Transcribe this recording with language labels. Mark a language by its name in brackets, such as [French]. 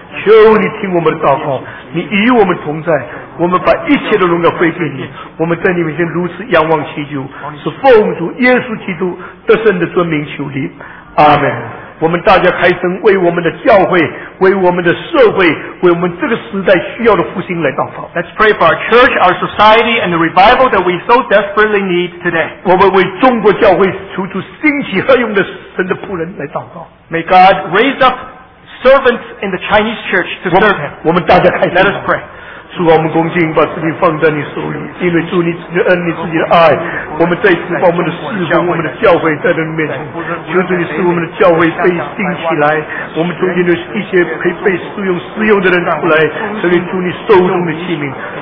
[Chinese] 求你听我们的祷告，你与我们同在，我们把一切的荣耀归给你。我们在你面前如此仰望祈求，是奉主耶稣基督得胜的尊名求你。阿们。我们大家开声为我们的教会，为我们的社会，为我们这个时代需要的复兴来祷告。 [English] Let's pray for our church, our society, and the revival that we so desperately need today. [Chinese] 我们为中国教会求主兴起何用的神的仆人来祷告。 [English] May God raise up servants in the Chinese church to serve Him. [Chinese] 我们大家开声。 [English] Let us pray. [Chinese] 主啊，我们恭敬把自己放在你手里，因为主你自己的恩，你自己的爱，我们再次把我们的侍奉，我们的教会带到你面前，求主你使我们的教会被兴起来，我们中间的一些可以被使用使用的人出来，成为主你受用的器皿。